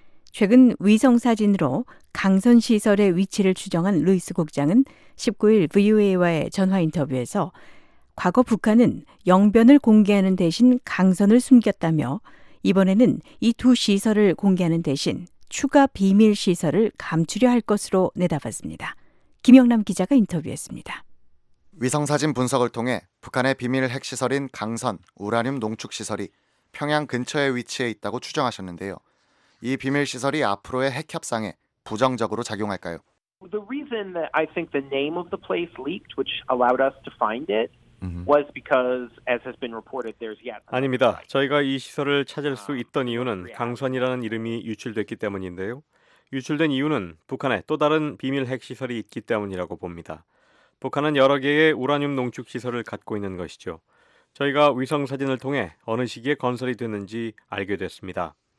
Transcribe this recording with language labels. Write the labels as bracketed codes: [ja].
[ko] 최근 위성사진으로 강선시설의 위치를 추정한 루이스 국장은 19일 VOA와의 전화 인터뷰에서 과거 북한은 영변을 공개하는 대신 강선을 숨겼다며 이번에는 이 두 시설을 공개하는 대신 추가 비밀시설을 감추려 할 것으로 내다봤습니다. 김영남 기자가 인터뷰했습니다. 위성사진 분석을 통해 북한의 비밀 핵시설인 강선 우라늄 농축시설이 평양 근처에 위치해 있다고 추정하셨는데요. 이 비밀시설이 앞으로의 핵협상에 부정적으로 작용할까요? [en] The reason that I think the name of the place leaked, which allowed us to find it, was because, as has been reported, there's yet. [ko] 아닙니다. 저희가 이 시설을 찾을 수 있던 이유는 강선이라는 이름이 유출됐기 때문인데요. 유출된 이유는 북한에 또 다른 비밀 핵 시설이 있기 때문이라고 봅니다. 북한은 여러 개의 우라늄 농축 시설을 갖고 있는 것이죠. 저희가 위성 사진을 통해 어느 시기에 건설이 됐는지 알게 됐습니다.